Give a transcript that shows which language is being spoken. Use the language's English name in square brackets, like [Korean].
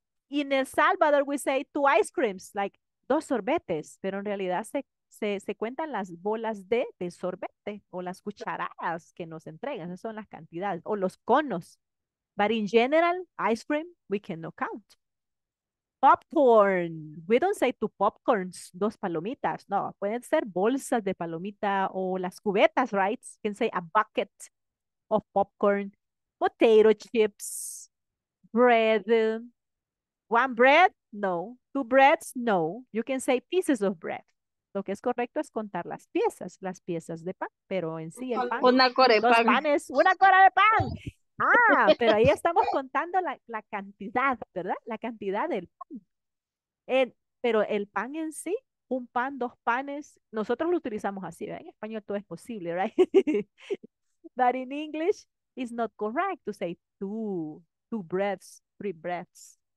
[English] In El Salvador, we say two ice creams, like [Spanish] dos sorbetes, pero en realidad se cuentan las bolas de sorbete o las cucharadas que nos entregan. Esas son las cantidades, o los conos. [English] But in general, ice cream, we cannot count. Popcorn. We don't say two popcorns, [Spanish] dos palomitas. No, pueden ser bolsas de palomita o las cubetas, right? [English] You can say a bucket of popcorn. Potato chips. Bread. One bread? No. Two breads? No. You can say pieces of bread. [Spanish] Lo que es correcto es contar las piezas de pan, pero en sí el pan. Una cora de pan. Dos panes, una cora de pan. Ah, pero ahí estamos contando la cantidad, ¿verdad? La cantidad del pan. Pero el pan en sí, un pan, dos panes, nosotros lo utilizamos así, ¿verdad? En español todo es posible, right? [English] But in English, it's not correct to say two breaths, three breaths.